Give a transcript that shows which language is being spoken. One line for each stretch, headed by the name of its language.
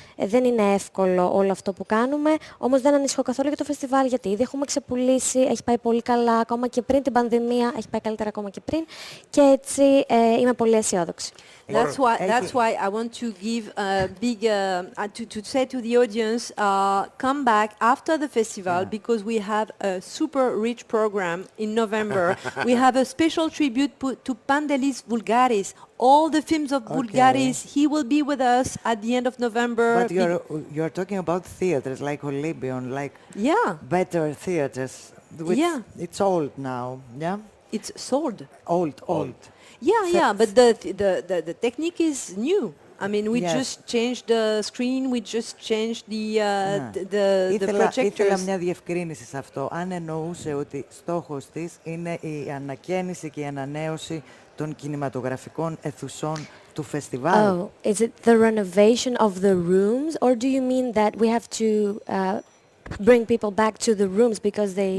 Greek: Δεν είναι εύκολο όλο αυτό που κάνουμε, όμως δεν ανησυχώ καθόλου για το φεστιβάλ, γιατί ήδη έχουμε ξεπουλήσει, έχει πάει πολύ καλά ακόμα και πριν την πανδημία, έχει πάει καλύτερα ακόμα και πριν, και έτσι είμαι πολύ αισιόδοξη.
English: That's why I want to give a big to say to the audience, come back after the festival because we have a super rich program in November. We have a special tribute to Pandelis Voulgaris. All the films of Voulgaris. He will be with us at the end of November. But you're talking about theaters like Olympion, like better theaters. It's old now. Yeah, it's sold. Old. Yeah, but the technique is new. I mean, we just changed the screen, we just changed the projectors.
Greek: Ήθελα μια διευκρίνηση σε αυτό. Αν εννοούσε ότι στόχος της είναι η ανακαίνιση και η ανανέωση των κινηματογραφικών αιθουσών του φεστιβάλ.
English: Oh, is it the renovation of the rooms, or do you mean that we have to bring people back to the rooms because they...